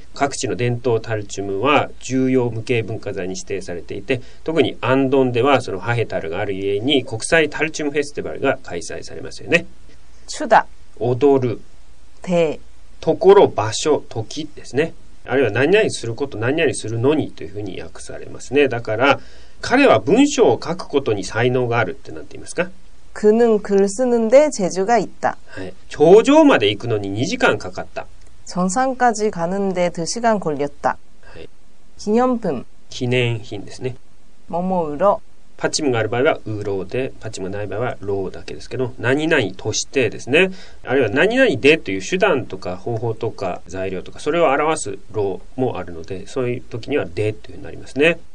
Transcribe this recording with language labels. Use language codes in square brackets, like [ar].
[ja] 各地の伝統タルチュムは重要無形文化財に指定されていて、特にアンドンではそのハヘタルがある家に国際タルチュムフェスティバルが開催されますよね。 [ko] 추다。 [ja] 踊る。 [ko] 대。 [ja] ところ、場所、時ですね。あるいは何々すること、何々するのにというふうに訳されますね。だから、彼は文章を書くことに才能があるって何て言いますか？ [ko] 그는글쓰는데재주가있다。 [ja] はい。頂上まで行くのに2時間かかった。 [ko] 정상까지가는데2시간걸렸다。 [ja] はい。 [ko] 기념품。 [ja] 記念品ですね。 [ko] 뭐뭐으로。 [ja] パチムがある場合はウーローで、パチムがない場合はローだけですけど、何々としてですね、あるいは何々でという手段とか方法とか材料とか、それを表すローもあるので、そういう時にはでというようになりますね。